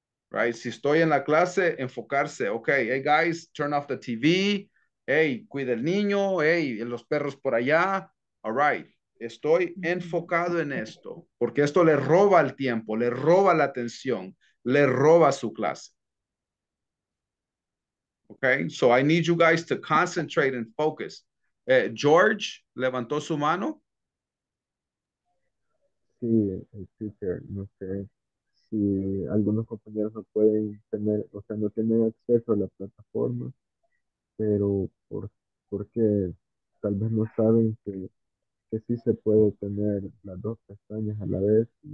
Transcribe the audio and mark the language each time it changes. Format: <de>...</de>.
<en>Right?</en> <es>Si estoy en la clase, enfocarse.</es> <en>Okay, hey guys, turn off the TV.</en> <es>Hey, cuide el niño. Hey, los perros por allá.</es> <en>All right.</en> <es>Estoy enfocado en esto, porque esto le roba el tiempo, le roba la atención, le roba su clase.</es> <en>Okay, so I need you guys to concentrate and focus.</en> <es>George, ¿levantó su mano? Sí, el teacher, no sé si algunos compañeros no pueden tener, o sea, no tienen acceso a la plataforma, pero porque tal vez no saben que sí se puede tener las dos pestañas a la vez.</es>